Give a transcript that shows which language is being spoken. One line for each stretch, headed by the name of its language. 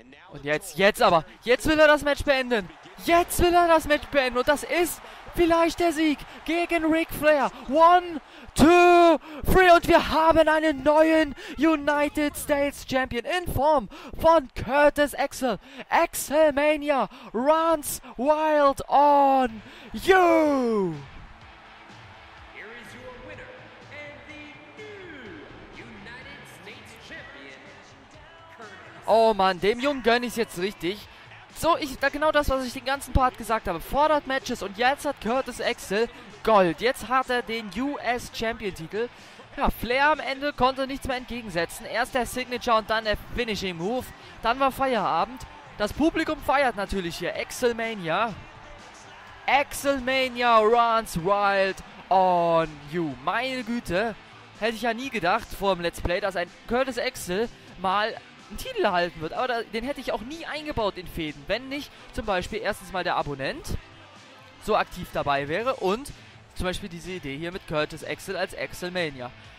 German: Und jetzt will er das Match beenden. Jetzt will er das Match beenden. Und das ist vielleicht der Sieg gegen Ric Flair.
English: One, two, three.
German: Und wir haben einen neuen United States Champion in Form von Curtis Axel.
English: Axelmania runs wild on you. Here is your winner and the new United States Champion, Curtis.
German: Oh Mann, dem Jungen gönne ich es jetzt richtig. So, genau das, was ich den ganzen Part gesagt habe. Fordert Matches und jetzt hat Curtis Axel Gold. Jetzt hat er den US Champion Titel. Ja, Flair am Ende konnte nichts mehr entgegensetzen. Erst der Signature und dann der Finishing Move. Dann war Feierabend. Das Publikum feiert natürlich hier. Axelmania.
English: Axelmania runs wild on you.
German: Meine Güte. Hätte ich ja nie gedacht vor dem Let's Play, dass ein Curtis Axel mal einen Titel halten wird, aber den hätte ich auch nie eingebaut in Fäden, wenn nicht zum Beispiel erstens mal der Abonnent so aktiv dabei wäre und zum Beispiel diese Idee hier mit Curtis Axel als Axelmania.